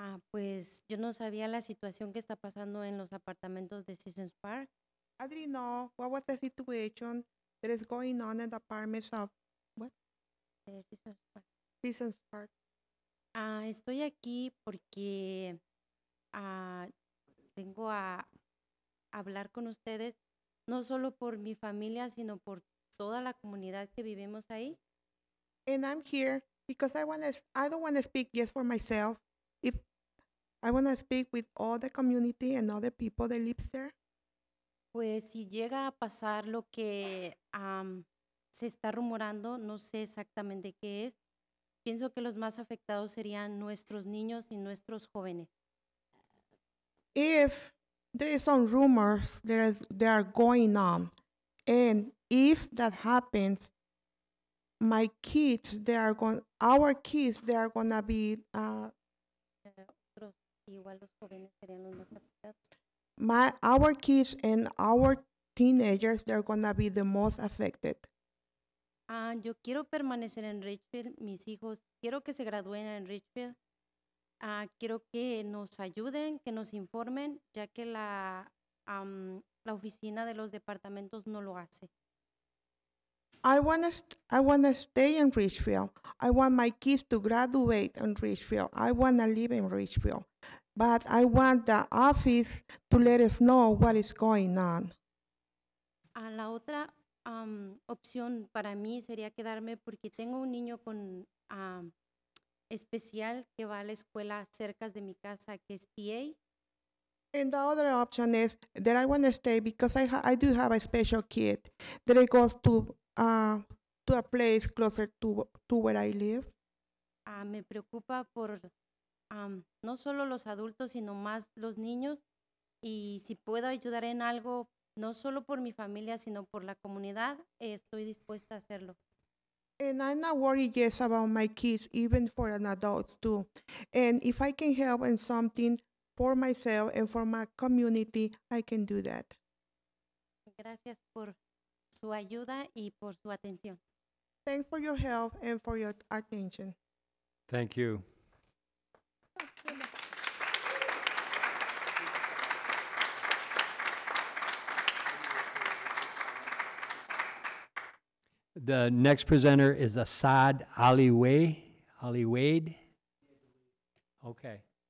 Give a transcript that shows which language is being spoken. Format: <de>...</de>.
<es>Pues yo no sabía la situación que está pasando en los apartamentos de Seasons Park.</es> <en>I didn't know what was the situation that is going on in the apartments of what? Seasons Park. Seasons Park.</en> <es>Estoy aquí porque vengo a hablar con ustedes, no solo por mi familia, sino por toda la comunidad que vivimos ahí.</es> <en>And I'm here because I don't want to speak just for myself. If I want to speak with all the community and all the people that live there.</en> <es>Pues si llega a pasar lo que se está rumorando, no sé exactamente qué es. Pienso que los más afectados serían nuestros niños y nuestros jóvenes.</es> <en>If there is some rumors that are going on, and if that happens, my kids, they are going, our kids, they are going to be, our kids and our teenagers, they're going to be the most affected.</en> <es>Yo quiero permanecer en Richfield, mis hijos, quiero que se gradúen en Richfield. Quiero que nos ayuden, que nos informen, ya que la oficina de los departamentos no lo hace.</es> <en>I want to stay in Richfield. I want my kids to graduate in Richfield. I want to live in Richfield. But I want the office to let us know what is going on.</en> <es>La otra opción para mí sería quedarme porque tengo un niño con especial que va a la escuela cerca de mi casa, que es PA.</es> <en>And the other option is that I want to stay because I do have a special kid that it goes to a place closer to where I live.</en> <es>Me preocupa por no solo los adultos, sino más los niños. Y si puedo ayudar en algo, no solo por mi familia, sino por la comunidad, estoy dispuesta a hacerlo.</es> <en>And I'm not worried yet about my kids, even for an adult too. And if I can help in something for myself and for my community, I can do that.</en> <es>Gracias por su ayuda y por su atención.</es> <en>Thanks for your help and for your attention. Thank you. The next presenter is Asad Ali Wade. Okay.</en>